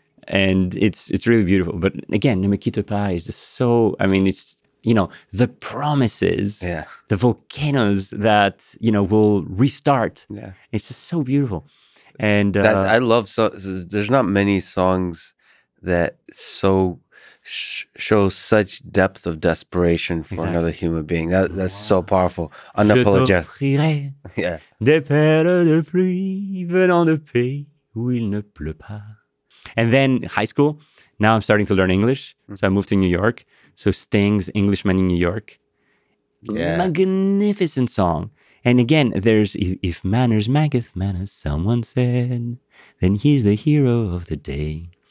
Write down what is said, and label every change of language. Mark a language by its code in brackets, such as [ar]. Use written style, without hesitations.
[en] And it's really beautiful. But again, Namakita Pa is just so, I mean, it's, you know, the promises, the volcanoes that, you know, will restart. Yeah. It's just so beautiful. And I love, so there's not many songs that so show such depth of desperation for another human being. That's so powerful. Unapologetic. [fr] Des perles de pluie venant de pays où il ne pleut pas. [en] And then high school, now I'm starting to learn English. So I moved to New York. So Sting's Englishman in New York. Yeah. Magnificent song. And again, there's If Manners Maketh Manners, someone said, then he's the hero of the day.